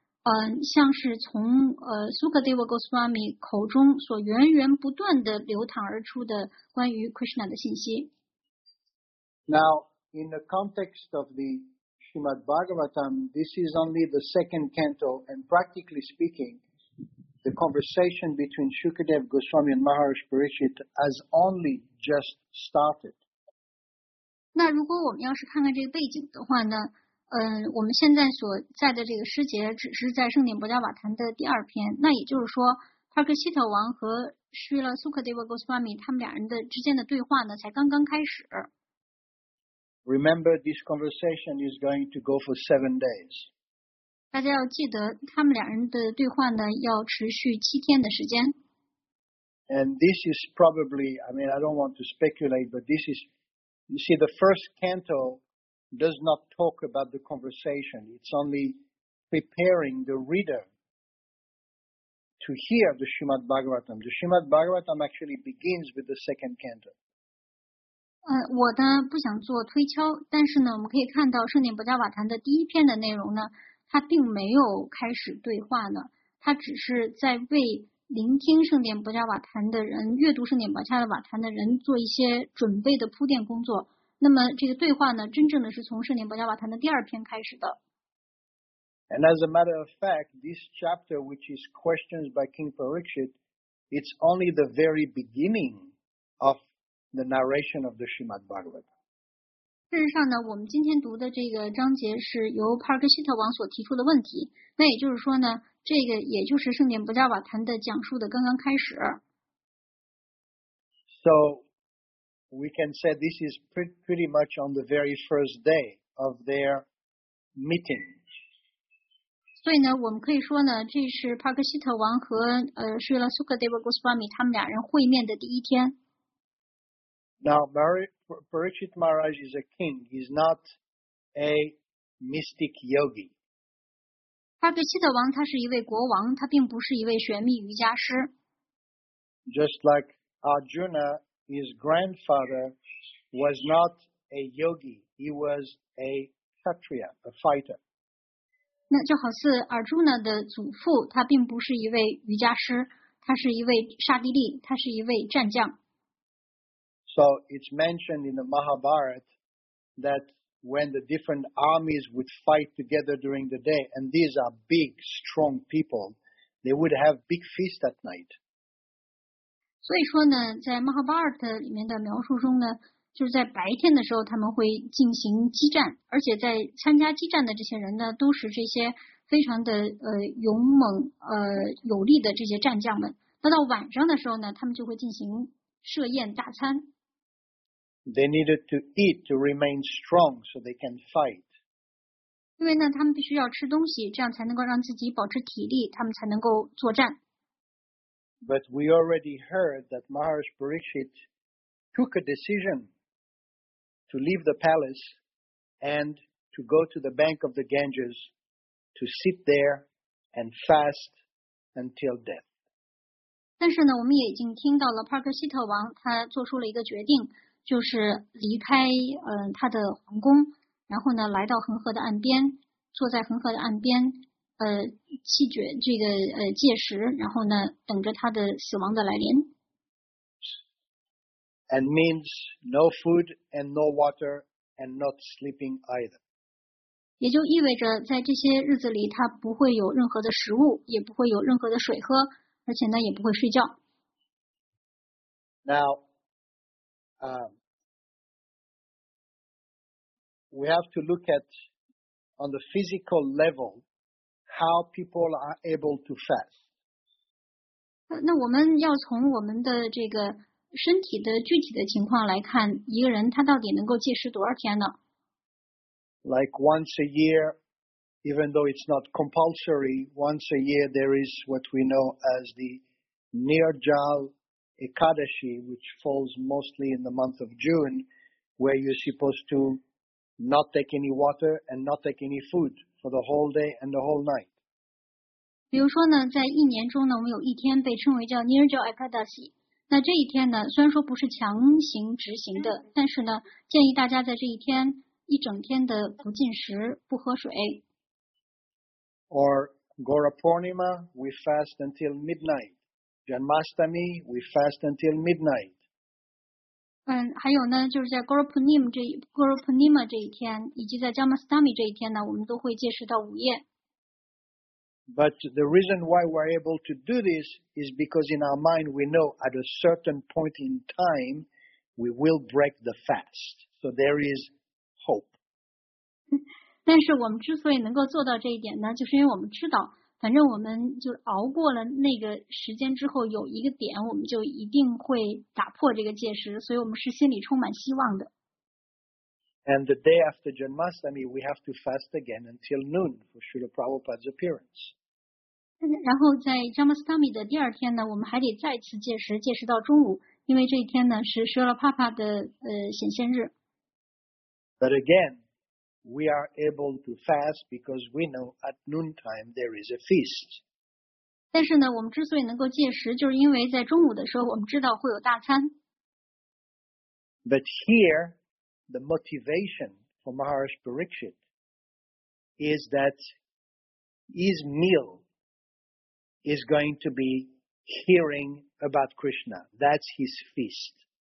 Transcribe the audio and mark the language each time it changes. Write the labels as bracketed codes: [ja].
[zh] 像是从Sukadeva Goswami 口中所源源不断地流淌而出的关于 Krishna 的信息。 [en] Now, in the context of the Srimad Bhagavatam, this is only the second canto, and practically speaking, the conversation between Shukadeva Goswami and Maharaj Parikshit has only just started. [zh] 那如果我们要是看看这个背景的话呢？我们现在所在的这个诗节只是在圣典波迦瓦坛的第二篇，那也就是说，帕克希特王和Srila Sukadeva Goswami他们俩人的之间的对话呢，才刚刚开始。 [en] Remember, this conversation is going to go for 7 days. [zh] 大家要记得他们两人的对话呢要持续七天的时间。 [en] And this is probably, I mean, I don't want to speculate, but this is, you see, the first canto does not talk about the conversation. It's only preparing the reader to hear the Srimad Bhagavatam. The Srimad Bhagavatam actually begins with the second canto. [zh] 我呢不想做推敲，但是呢，我们可以看到圣殿不加瓦坛的第一篇的内容呢，它并没有开始对话呢，它只是在为聆听圣殿不加瓦坛的人、阅读圣殿不加瓦坛的人做一些准备的铺垫工作。那么这个对话呢，真正的是从圣殿不加瓦坛的第二篇开始的。 [en] And as a matter of fact, this chapter, which is questions by King Parikshit, it's only the very beginning of the narration of the Srimad Bhagavatam. [zh] 事实上呢，我们今天读的这个章节是由帕克希特王所提出的问题。那也就是说呢，这个也就是圣殿不加瓦坛的讲述的刚刚开始。 [en] So we can say this is pretty much on the very first day of their meeting. [zh] 所以呢，我们可以说呢，这是帕克希特王和Srila Sukadeva Goswami 他们俩人会面的第一天。 [en] Now, Parikshit Maharaj is a king. He's not a mystic yogi. [zh] 帕克希特王他是一位国王，他并不是一位玄秘瑜伽师。 [en] Just like Arjuna, his grandfather was not a yogi. He was a kshatriya, a fighter. [zh] 那就好似尔朱呢的祖父，他并不是一位瑜伽师，他是一位刹帝利，他是一位战将。 [en] So it's mentioned in the Mahabharata that when the different armies would fight together during the day, and these are big, strong people, they would have big feast at night. [zh] 所以说呢，在 Mahabharata 里面的描述中呢，就是在白天的时候他们会进行激战，而且在参加激战的这些人呢都是这些非常的勇猛有力的这些战将们。那到晚上的时候呢，他们就会进行设宴大餐。 [en] They needed to eat to remain strong so they can fight. [zh] 因为呢他们必须要吃东西，这样才能够让自己保持体力，他们才能够作战。 [en] But we already heard that Maharaj Parikshit took a decision. To leave the palace and to go to the bank of the Ganges to sit there and fast until death. [zh] 但是呢，我们也已经听到了帕克希特王他做出了一个决定，就是离开他的皇宫，然后呢来到恒河的岸边，坐在恒河的岸边弃绝这个戒食，然后呢等着他的死亡的来临。 [en] And means no food and no water and not sleeping either. [zh] 也就意味着在这些日子里他不会有任何的食物，也不会有任何的水喝，而且呢也不会睡觉。 [en] Now, we have to look at on the physical level how people are able to fast. [zh] 那我们要从我们的这个身体的具体的情况来看，一个人他到底能够戒食多少天呢 [en] ？Like once a year, even though it's not compulsory, once a year there is what we know as the Nirjal Ekadashi, which falls mostly in the month of June, where you're supposed to not take any water and not take any food for the whole day and the whole night. [zh] 比如说呢，在一年中呢，我们有一天被称为叫 Nirjal Ekadashi。那这一天呢，虽然说不是强行执行的，但是呢，建议大家在这一天一整天的不进食、不喝水。 [en] Or Gaura Purnima, we fast until midnight. Janmashtami, we fast until midnight. [zh] 还有呢，就是在 Gaura Purnima 这一天，以及在 Janmashtami 这一天呢，我们都会戒食到午夜。 [en] But the reason why we're able to do this is because in our mind we know at a certain point in time we will break the fast. So there is hope. [zh] 但是我们之所以能够做到这一点呢，就是因为我们知道，反正我们就熬过了那个时间之后，有一个点我们就一定会打破这个戒食，所以我们是心里充满希望的。 [en] And the day after Janmashtami, we have to fast again until noon for Srila Prabhupada's appearance. [zh] 然后在 Janmashtami 的第二天呢，我们还得再次戒食，戒食到中午，因为这一天呢是 Srila Prabhupada 的显现日。 [en] But again, we are able to fast because we know at noontime there is a feast. [zh] 但是呢，我们之所以能够戒食，就是因为在中午的时候我们知道会有大餐。 [en] But here, the motivation for Maharaj Parikshit is that his meal is going to be hearing about Krishna. That's his feast.